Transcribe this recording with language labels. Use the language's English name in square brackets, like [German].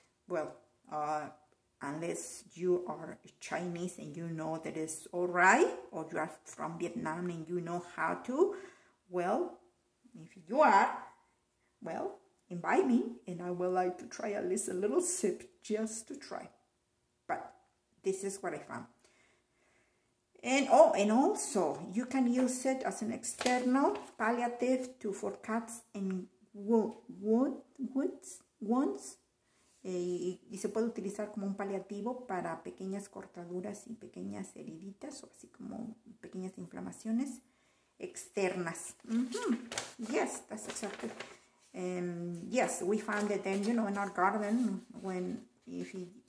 [English] Well, unless you are Chinese and you know that it's all right, or you are from Vietnam and you know how to, well, if you are, well, invite me and I would like to try at least a little sip just to try. But this is what I found. And oh, and also you can use it as an external palliative to for cuts and wounds. [Spanish] Y se puede utilizar como un paliativo para pequeñas cortaduras y pequeñas heriditas, o así como pequeñas inflamaciones externas. [English] Yes, that's exactly. Yes, we found it then, you know, in our garden when if he.